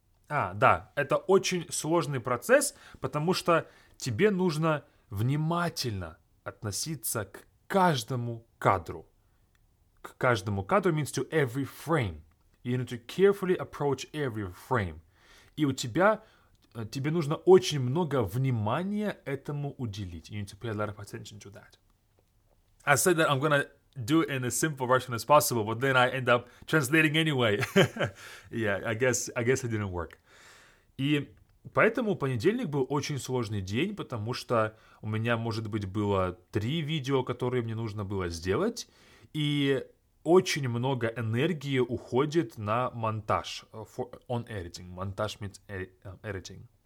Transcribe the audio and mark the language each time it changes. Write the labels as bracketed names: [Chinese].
[Russian] А, да, это очень сложный процесс, потому что тебе нужно внимательно относиться к каждому кадру. К каждому кадру [English] means to every frame. You need to carefully approach every frame. [Russian] И у тебя, тебе нужно очень много внимания этому уделить. [English] You need to pay a lot of attention to that. I said that I'm gonna do it in as simple Russian as possible, but then I end up translating anyway. Yeah, I guess it didn't work. И [Russian] Поэтому понедельник был очень сложный день, потому что у меня, может быть, было 3 видео, которые мне нужно было сделать, и очень много энергии уходит на монтаж, [English] on editing, [Russian] монтаж [English] means editing.